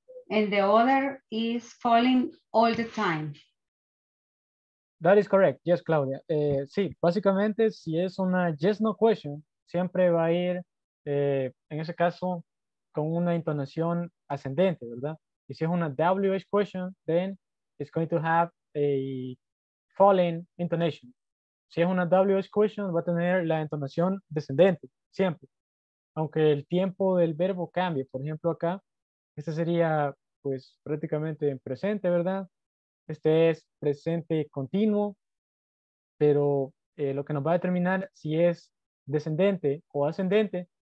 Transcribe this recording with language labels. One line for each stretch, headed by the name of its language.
English: And the other is falling all the time. That is correct. Yes, Claudia.
Spanish: Sí, básicamente, si es una yes, no question, siempre va a ir, en ese caso, con una intonación ascendente, ¿verdad? Y si es una
English: WH question, then it's going to have a falling intonation.
Spanish: Si es una WH question, va a tener la intonación descendente, siempre. Aunque el tiempo del verbo cambie, por ejemplo, acá, este sería, pues, prácticamente en presente, ¿verdad? Este es presente continuo, pero lo que nos va a determinar si es descendente o ascendente